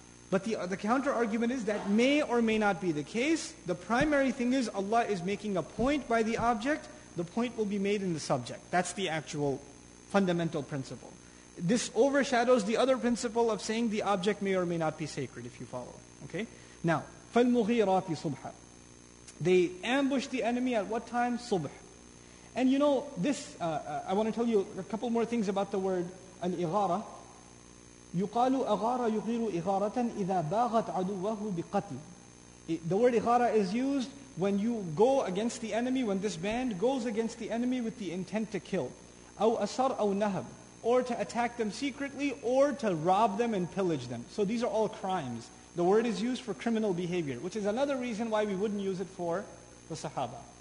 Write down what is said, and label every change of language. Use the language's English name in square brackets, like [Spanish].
[English] But the counter-argument is that may or may not be the case. The primary thing is Allah is making a point by the object. The point will be made in the subject. That's the actual fundamental principle. This overshadows the other principle of saying the object may or may not be sacred, if you follow. Okay? [Arabic] Now, فَالْمُغِيرَاتِ صُبْحَ. [English] They ambush the enemy at what time? Subh. And you know, this, I want to tell you a couple more things about the word al-ighara. [Arabic] يُقَالُ أَغَارَ يُغِيرُ إِغَارَةً إِذَا بَاغَتْ عَدُوَّهُ بِقَتْلِ. [English] The word ighara is used when you go against the enemy, when this band goes against the enemy with the intent to kill. [Arabic] أَوْ أَسَرْ أَوْ نَهَبْ. [English] Or to attack them secretly, or to rob them and pillage them. So these are all crimes. The word is used for criminal behavior, which is another reason why we wouldn't use it for the sahaba.